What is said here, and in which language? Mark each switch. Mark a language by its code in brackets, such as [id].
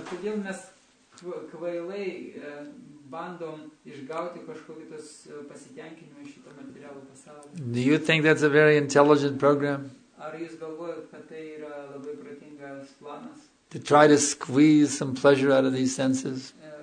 [lt] Kodėl mes kvailai bandom išgauti kažkokį tos pasitenkinimą iš šito materialų pasaulio? [en] Do you think that's a very intelligent program? [lt] Ar jūs galvojat, kad tai yra labai protingas planas? [en] To try to squeeze some pleasure out of these senses.